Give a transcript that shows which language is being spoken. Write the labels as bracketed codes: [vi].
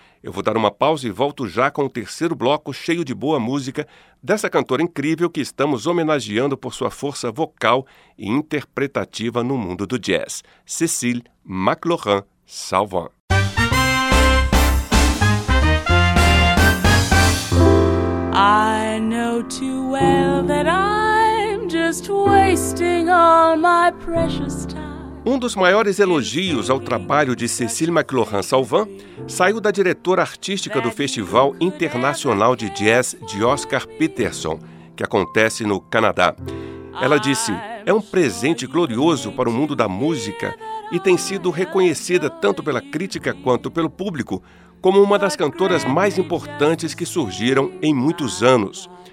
[pt] Eu vou dar uma pausa e volto já com o terceiro bloco cheio de boa música dessa cantora incrível que estamos homenageando por sua força vocal e interpretativa no mundo do jazz, Cecile McLaurin Salvin. [en] I know too well that I'm just wasting all my precious time. [pt] Um dos maiores elogios ao trabalho de Cecile McLaurin Salvin saiu da diretora artística do Festival Internacional de Jazz de Oscar Peterson, que acontece no Canadá. Ela disse: "É um presente glorioso para o mundo da música e tem sido reconhecida tanto pela crítica quanto pelo público como uma das cantoras mais importantes que surgiram em muitos anos.